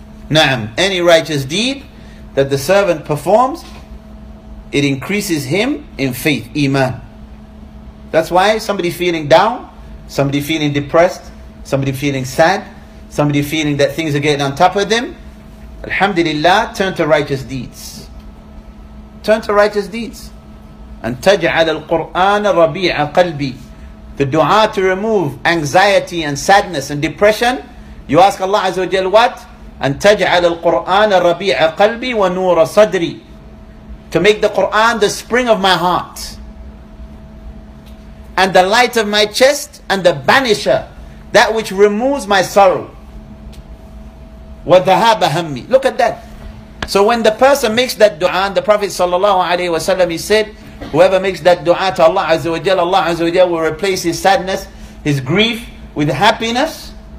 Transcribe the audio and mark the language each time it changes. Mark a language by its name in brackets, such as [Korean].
[English] Na'am, any righteous deed that the servant performs, it increases him in faith, iman. That's why somebody feeling down, somebody feeling depressed, somebody feeling sad, somebody feeling that things are getting on top of them, alhamdulillah, turn to righteous deeds. Turn to righteous deeds. [Arabic] And تجعل القرآن ربيع قلبي. [English] The dua to remove anxiety and sadness and depression. You ask Allah Azza wa Jal what? [Arabic] And تجعل القرآن ربيع قلبي ونور صدري. [English] To make the Quran the spring of my heart. And the light of my chest and the banisher. That which removes my sorrow. [Arabic] وذهاب همي. [English] Look at that. So when the person makes that dua, the Prophet sallallahu alaihi wasallam, he said, whoever makes that dua to Allah Azza wa Jalla, Allah Azza wa Jalla will replace his sadness, his grief with happiness.